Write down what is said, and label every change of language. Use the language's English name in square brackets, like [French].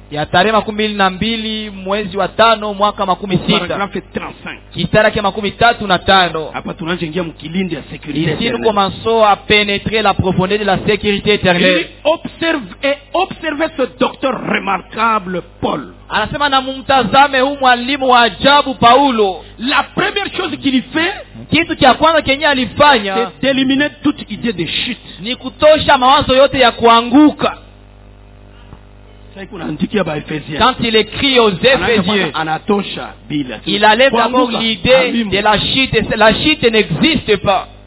[Swahili] Ya tarehe 22 mwezi wa 5 mwaka 16. [English] Paragraph 35. [Swahili] Kitara kia 35. Hapa tunaingia mkilindi ya sécurité. [French] Ici nous commençons à pénétrer la profondeur de la sécurité éternelle. Observe ce docteur remarquable Paul. [Swahili] Anasema na mumtazame huu mwalimu wa ajabu Paulo. [French] La première chose qu'il fait, [Swahili] kitu cha kwanza kenye alifanya, [French] c'est d'éliminer toute idée de chute. [Swahili] Ni kutosha mawazo yote ya kuanguka. [French] Quand il écrit aux Éphésiens, il enlève d'abord l'idée de la chute. La chute n'existe pas.